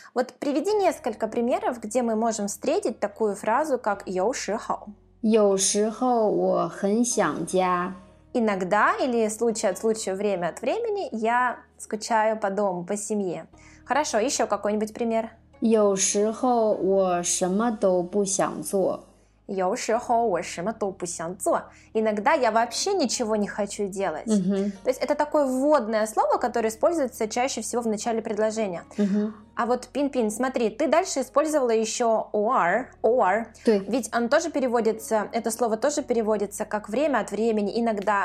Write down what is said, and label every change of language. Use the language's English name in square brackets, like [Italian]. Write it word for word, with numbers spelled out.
[Russian] Вот приведи несколько примеров, где мы можем встретить такую фразу, как 有时候。 [Chinese] 有时候我很想家。 [Russian] Иногда или случай от случая, время от времени, я скучаю по дому, по семье. Хорошо, еще какой-нибудь пример. [Chinese] 有时候我什么都不想做。有时候我什么都不想做. [Russian] Иногда я вообще ничего не хочу делать. Uh-huh. То есть это такое вводное слово, которое используется чаще всего в начале предложения. Uh-huh. А вот Пин-Пин, смотри, ты дальше использовала еще or, or. [Chinese] 对. [Russian] Ведь оно тоже переводится, это слово тоже переводится как время от времени, иногда.